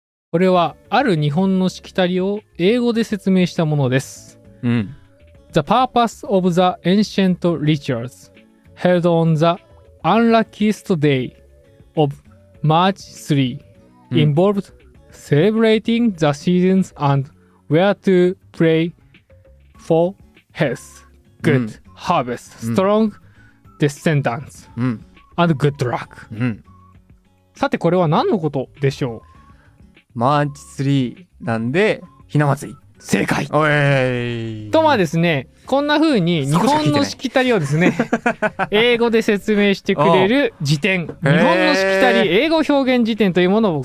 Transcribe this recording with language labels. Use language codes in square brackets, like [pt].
[ja] これはある日本のしきたりを英語で説明したものです。うん。 [en] The purpose of the ancient rituals held on the unluckiest day of March 3 involved celebrating the seasons and where to pray for health, good harvest, strong descendants, and good luck. [ja] さてこれは何のことでしょう？ March 3なんでひな祭り。正解。おいとまあですね、こんな風に日本のしきたりをですね英語で説明してくれる辞典、日本のしきたり英語表現辞典というものを、